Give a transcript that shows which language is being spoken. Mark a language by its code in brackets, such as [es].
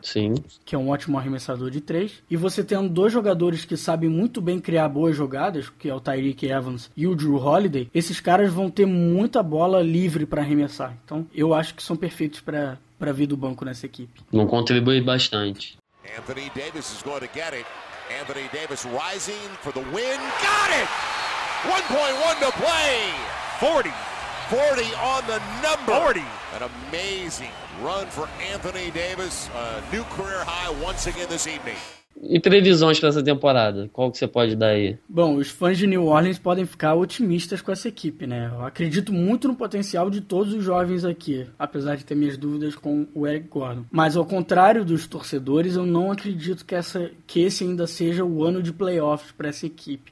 [pt] Sim. Que é um ótimo arremessador de três. E você tendo dois jogadores que sabem muito bem criar boas jogadas, que é o Tyreek Evans e o Jrue Holiday, esses caras vão ter muita bola livre pra arremessar. Então, eu acho que são perfeitos pra vir do banco nessa equipe. Vão contribuir bastante. [en] Anthony Davis is going to get it. Anthony Davis rising for the win. Got it! 1.1 to play. 40. 40 on the number. 40. An amazing run for Anthony Davis. A new career high once again this evening. [pt] E previsões para essa temporada? Qual que você pode dar aí? Bom, os fãs de New Orleans podem ficar otimistas com essa equipe, né? Eu acredito muito no potencial de todos os jovens aqui, apesar de ter minhas dúvidas com o Eric Gordon. Mas ao contrário dos torcedores, eu não acredito que esse ainda seja o ano de playoffs para essa equipe.